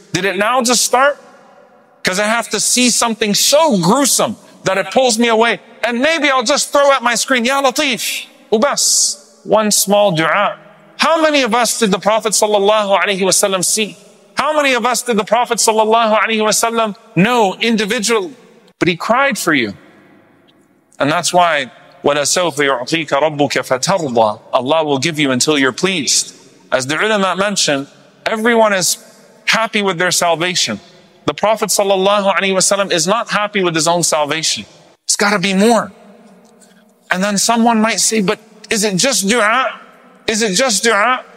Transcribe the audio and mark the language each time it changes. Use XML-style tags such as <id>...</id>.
<en>Did it now just start? Because I have to see something so gruesome that it pulls me away. And maybe I'll just throw at my screen, Ya Latif, Ubas, one small dua. How many of us did the Prophet sallallahu alaihi wasallam see? How many of us did the Prophet sallallahu alaihi wasallam know individually? But he cried for you. And that's why,</en> <ar>وَلَسَوْفَ يُعْطِيكَ رَبُّكَ فَتَرْضَى.</ar> <en>Allah will give you until you're pleased. As the ulama mentioned, everyone is happy with their salvation. The Prophet sallallahu alaihi wasallam is not happy with his own salvation. It's gotta be more. And then someone might say, but is it just dua? Is it just dua?</en>